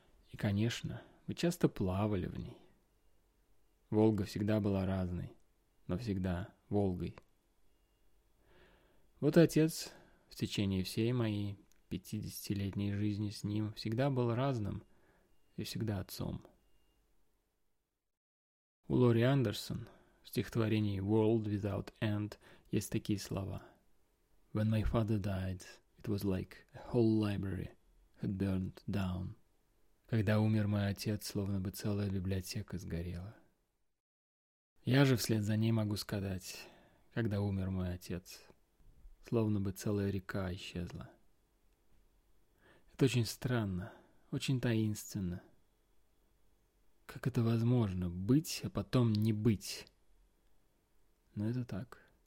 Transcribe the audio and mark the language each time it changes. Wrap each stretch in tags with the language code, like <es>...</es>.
<ru>И, конечно, мы часто плавали в ней. Волга всегда была разной, но всегда Волгой. Вот отец в течение всей моей 50-летней жизни с ним всегда был разным и всегда отцом. У Лори Андерсон в стихотворении «World Without End» есть такие слова:</ru> <en>«When my father died, it was like a whole library had burned down».</en> <ru>Когда умер мой отец, словно бы целая библиотека сгорела. Я же вслед за ней могу сказать: когда умер мой отец, словно бы целая река исчезла. Это очень странно, очень таинственно. Как это возможно — быть, а потом не быть? Но это так.</ru>